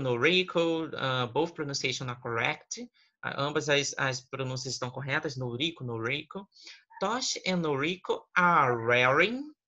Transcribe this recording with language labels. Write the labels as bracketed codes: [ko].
[en] Noriko, both pronunciations are correct. [pt] Ambas as pronúncias estão corretas. [en] Noriko, Noriko. Toshi and Noriko are wearing.